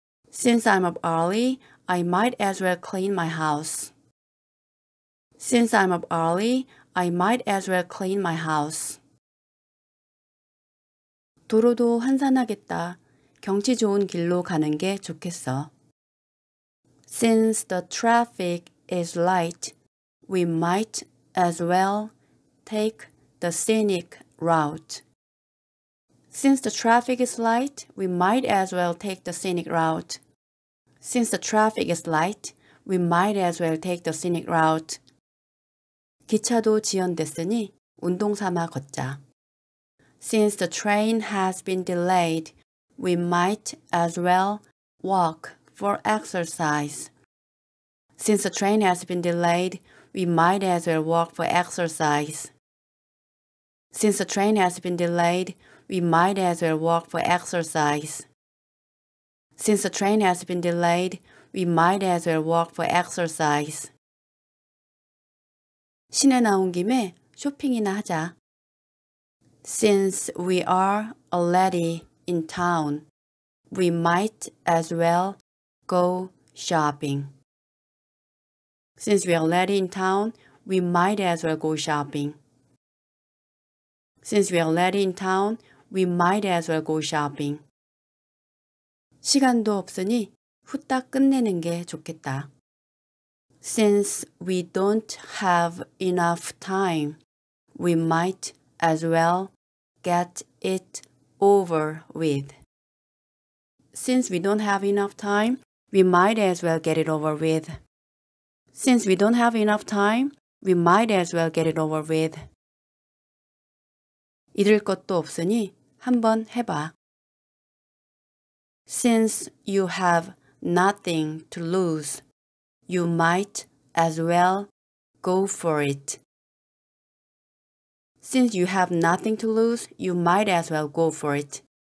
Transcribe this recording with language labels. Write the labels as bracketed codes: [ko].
[en] Since I'm up early, I might as well clean my house. Since I'm up early, I might as well clean my house. [ko] 도로도 환산하겠다. 경치 좋은 길로 가는 게 좋겠어. [en] Since the traffic is light, we might as well take the scenic route. Since the traffic is light, we might as well take the scenic route. Since the traffic is light, we might as well take the scenic route. [ko] 기차도 지연됐으니 운동 삼아 걷자. [en] Since the train has been delayed, we might as well walk for exercise. Since the train has been delayed, we might as well walk for exercise. Since the train has been delayed, we might as well walk for exercise. Since the train has been delayed, we might as well walk for exercise. [ko] 시내 나온 김에 쇼핑이나 하자. [en] Since we are already in town, we might as well go shopping. Since we are already in town, we might as well go shopping. Since we are already in town, we might as well go shopping. [ko] 시간도 없으니 후딱 끝내는 게 좋겠다. [en] Since we don't have enough time, we might as well get it over with. Since we don't have enough time, we might as well get it over with. Since we don't have enough time, we might as well get it over with. [ko] 잃을 것도 없으니 한번 해봐. [en] Since you have nothing to lose, you might as well go for it. Since you have nothing to lose, you might as well go for it.